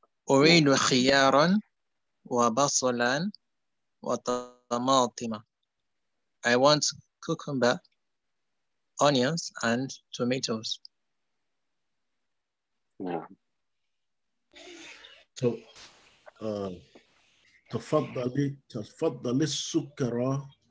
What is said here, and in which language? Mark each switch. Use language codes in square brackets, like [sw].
[ar] أريد خيارا وبصلا وطماطما. [en] I want cucumber, onions, and tomatoes. [ar] So, تفضلي السكر